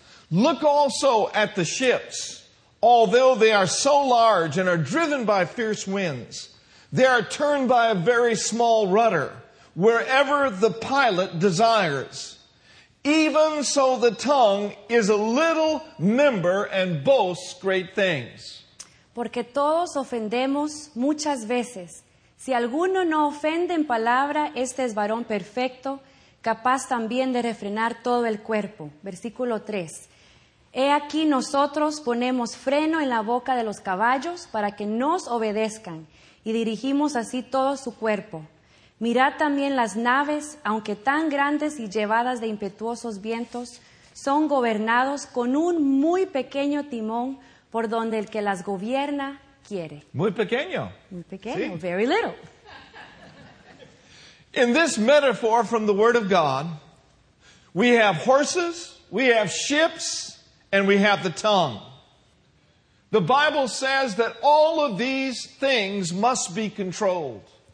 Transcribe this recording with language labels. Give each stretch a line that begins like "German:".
English: Look also at the ships. Although they are so large and are driven by fierce winds, they are turned by a very small rudder wherever the pilot desires. Even so, the tongue is a little member and boasts great things.
Spanish: Porque todos ofendemos muchas veces. Si alguno no ofende en palabra, este es varón perfecto, capaz también de refrenar todo el cuerpo. Versículo 3. He aquí nosotros ponemos freno en la boca de los caballos para que nos obedezcan, y dirigimos así todo su cuerpo. Mirad también las naves, aunque tan grandes y llevadas de impetuosos vientos, son gobernados con un muy pequeño timón por donde el que las gobierna quiere. Muy pequeño. Muy pequeño. Sí.
English: Very little. In this metaphor from the Word of God, we have horses, we have ships, and we have the tongue. The Bible says that all of these things must be controlled.